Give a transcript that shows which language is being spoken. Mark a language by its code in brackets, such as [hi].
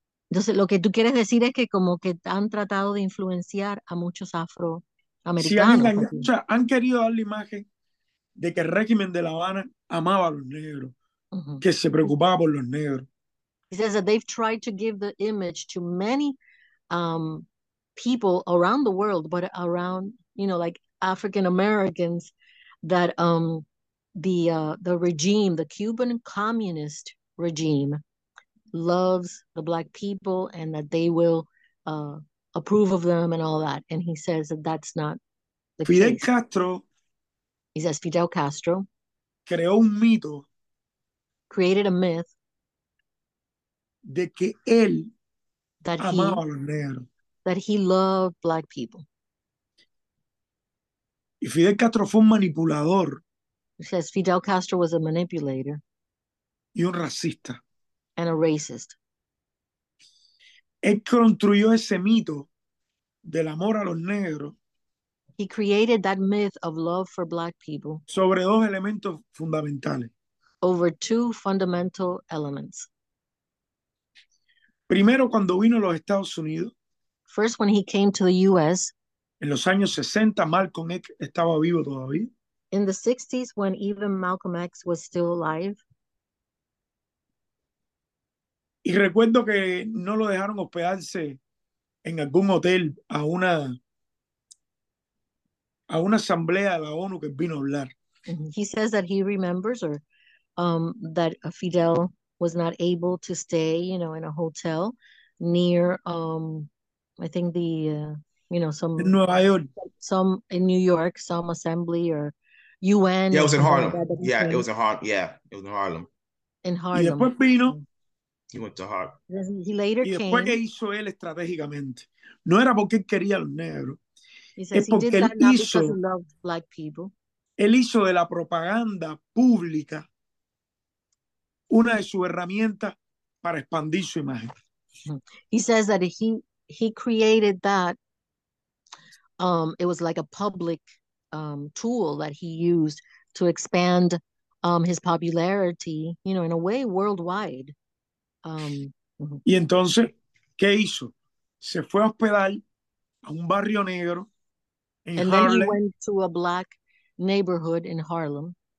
[es] Entonces, lo que tú quieres decir es que como que han tratado de influenciar a muchos afroamericanos. Sí, han querido dar la imagen de que el régimen de La Habana amaba a los negros, uh-huh. que se preocupaba por los negros. [en] He says that they've tried to give the image to many people around the world, but around, you know, like African Americans, that the regime, the Cuban communist regime, loves the black people and that they will approve of them and all that. And he says that that's not the Fidel case. Castro. He says Fidel Castro [es] creó un mito, [en] created a myth [es] de que él that amaba a los negros. [en] That he loved black people. [es] Y Fidel Castro fue un manipulador. [en] He says Fidel Castro was a manipulator. [es] Y un racista. [en] And a racist. [es] Él construyó ese mito del amor a los negros. [en] He created that myth of love for black people. [es] Sobre dos elementos fundamentales. [en] Over two fundamental elements. [es] Primero, cuando vino a los Estados Unidos. [en] First, when he came to the U.S. [es] En los años 60, Malcolm X estaba vivo todavía. [en] In the 60s, when even Malcolm X was still alive. [es] Y recuerdo que no lo dejaron hospedarse en algún hotel a una asamblea de la ONU que vino a hablar. [en] He says that he remembers that Fidel was not able to stay, you know, in a hotel near, I think the, you know, some... In Nueva York. Some in New York, some assembly or UN. Yeah, it was in Harlem. It was in Harlem. In Harlem. [es] Y después vino... [en] He went to heart. He later [es] y después Que hizo él estratégicamente. No era porque él quería a los negros. Es porque él hizo. Él hizo de la propaganda pública una de sus herramientas para expandir su imagen. [en] He says that he created that. It was like a public tool that he used to expand his popularity, you know, in a way worldwide. [es] Y entonces, ¿qué hizo? Se fue a hospedar a un barrio negro en [en] and Harlem. Then he went to a black neighborhood in Harlem.